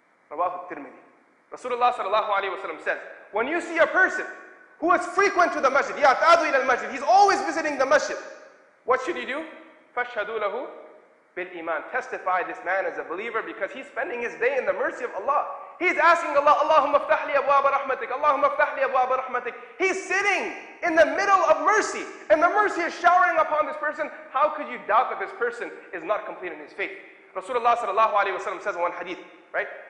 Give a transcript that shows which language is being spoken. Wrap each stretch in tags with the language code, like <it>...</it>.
<ar>رواه الترمذي.</ar> <en>Rasulullah sallallahu alayhi wa sallam says, when you see a person who is frequent to the masjid,</en> <ar>يَعْتَادُ إِلَى الْمَسْجِدِ,</ar> <en>he's always visiting the masjid, what should he do?</en> <ar>فَاشْهَدُوا لَهُ بِالْإِيمَانِ.</ar> <en>Testify this man as a believer because he's spending his day in the mercy of Allah. He's asking Allah,</en> <ar>اللهم افتح لي أبواب رحمتك, اللهم افتح لي أبواب رحمتك.</ar> <en>He's sitting in the middle of mercy, and the mercy is showering upon this person. How could you doubt that this person is not complete in his faith? Rasulullah sallallahu alayhi wa sallam says in one hadith, right?</en>